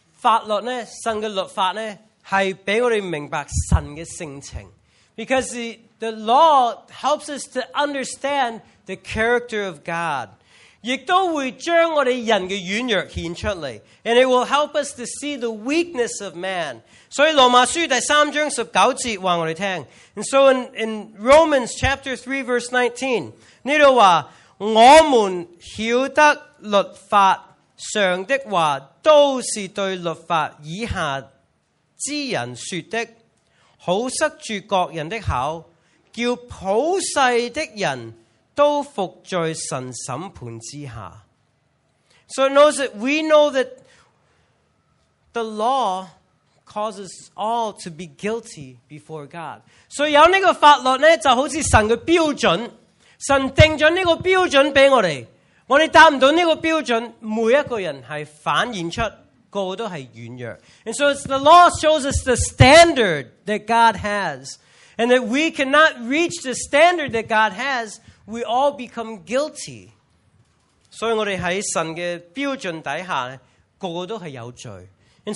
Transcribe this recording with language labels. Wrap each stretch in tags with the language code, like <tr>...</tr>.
<zh>因为圣经话我们听，法律呢，神的律法呢， 是让我们明白神的性情,</zh> <en>because the law helps us to understand the character of God.</en> <zh>亦都会将我们人的软弱显出来,</zh> <en>and it will help us to see the weakness of man.</en> <zh>所以罗马书第三章十九节话我们听,</zh> <en>and so in Romans chapter 3 verse 19,</en> <zh>这里说我们晓得律法上的话都是对律法以下 之人说的，好塞住各人的口，叫普世的人都伏在神审判之下。So</zh> <en>it knows that we know that the law causes all to be guilty before God.</en> <zh>So 有这个法律呢，就好像神的标准，神定了这个标准给我们，我们达不到这个标准，每一个人是反现出。</zh> <en>And so it's the law shows us the standard that God has. And that we cannot reach the standard that God has, we all become guilty. And</en>